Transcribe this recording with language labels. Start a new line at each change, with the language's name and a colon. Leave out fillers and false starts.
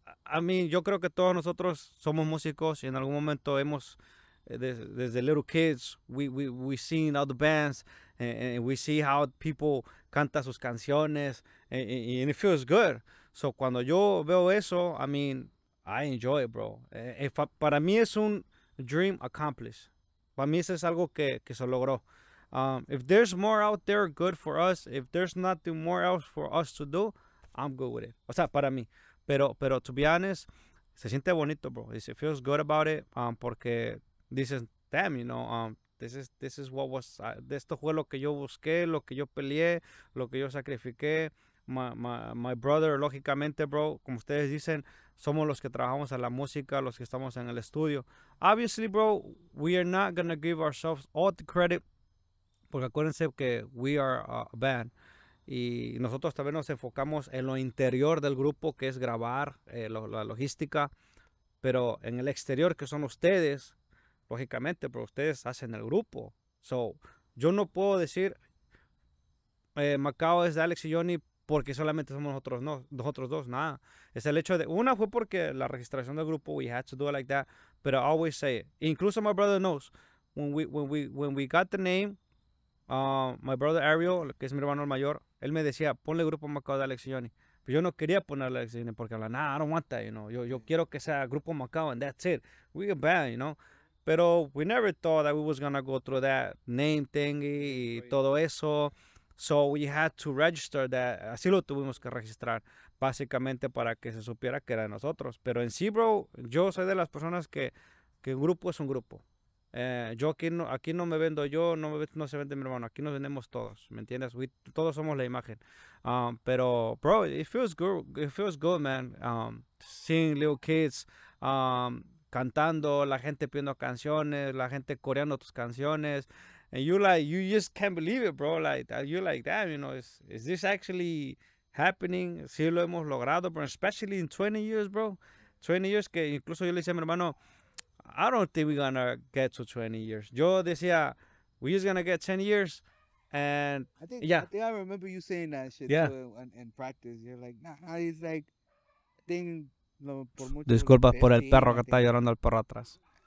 English: I mean,
Spanish: yo creo que todos nosotros somos músicos y en algún momento hemos, desde
English: little kids, we seen all the bands and we see how people
Spanish: canta sus canciones
English: and it feels good. So
Spanish: cuando yo veo eso,
English: I mean, I enjoy it, bro.
Spanish: Para mí es un
English: dream accomplished.
Spanish: Para mí eso es algo que se logró.
English: If there's more out there, good for us. If there's nothing more else for us to do, I'm good with it.
Spanish: O sea, para mí. Pero,
English: to be honest,
Spanish: se siente bonito, bro.
English: It feels good about it,
Spanish: porque dices,
English: damn, you know, this is what was,
Spanish: esto fue lo que yo busqué, lo que yo peleé, lo que yo sacrifiqué.
English: My brother,
Spanish: lógicamente, bro, como ustedes dicen, somos los que trabajamos en la música, los que estamos en el estudio.
English: Obviously, bro, we are not going to give ourselves all the credit,
Spanish: porque acuérdense que
English: we are a band.
Spanish: Y nosotros también nos enfocamos en lo interior del grupo, que es grabar la logística. Pero en el exterior, que son ustedes, lógicamente, pero ustedes hacen el grupo. So, yo no puedo decir, Macao es de Alex y Johnny porque solamente somos nosotros dos, nada. Es el hecho de, una fue porque la registración del grupo,
English: we had to do it like that. But I always say it.
Spanish: Incluso
English: my brother knows, when we got the name, my brother
Spanish: Ariel, que es mi hermano el mayor, él me decía, ponle Grupo Macao de Alex y Johnny. Pero yo no quería ponerle Alex y Johnny porque habla,
English: nah, I don't want that, you know.
Spanish: Yo quiero que sea Grupo Macao
English: and that's it. We a band, you know. Pero we never thought that we was going to go through that name thingy
Spanish: y todo eso.
English: So we had to register that.
Spanish: Así lo tuvimos que registrar, básicamente para que se supiera que era de nosotros. Pero en sí, bro, yo soy de las personas que un grupo es un grupo. Yo aquí no me vendo yo, no se vende mi hermano, aquí nos vendemos todos, ¿me entiendes? Todos somos la imagen. Pero, bro,
English: it feels good, man. Seeing little kids
Spanish: cantando, la gente pidiendo canciones, la gente coreando tus canciones,
English: and you like, you just can't believe it, bro. Like, you're like, damn, you know, is this actually happening?
Spanish: Sí lo hemos logrado, pero
English: especially in 20 years, bro. 20 years
Spanish: que incluso yo le decía a mi hermano,
English: I don't think we're gonna get to 20 years.
Spanish: Yo decía,
English: we're just gonna get 10 years. And I think I remember you saying that shit too in practice. You're like, nah, it's like, thing. No,
Spanish: por mucho. Disculpas por el perro que está llorando al perro atrás.